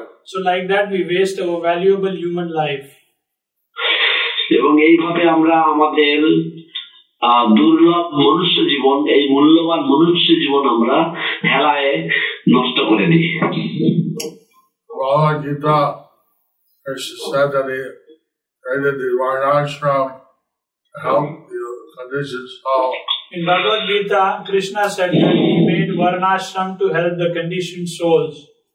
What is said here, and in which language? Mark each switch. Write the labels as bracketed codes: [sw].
[en] So like that we waste our valuable human life. [bn] এবং এইভাবে আমরা আমাদের দুর্লভ মনুষ্য জীবন, এই মূল্যবান মনুষ্য জীবন আমরা হেলায় নষ্ট করে দিই. [en] Krishna said that he created the Varnashram to help the conditioned soul. In Bhagavad Gita, Krishna said that he made Varnashram to help the conditioned souls.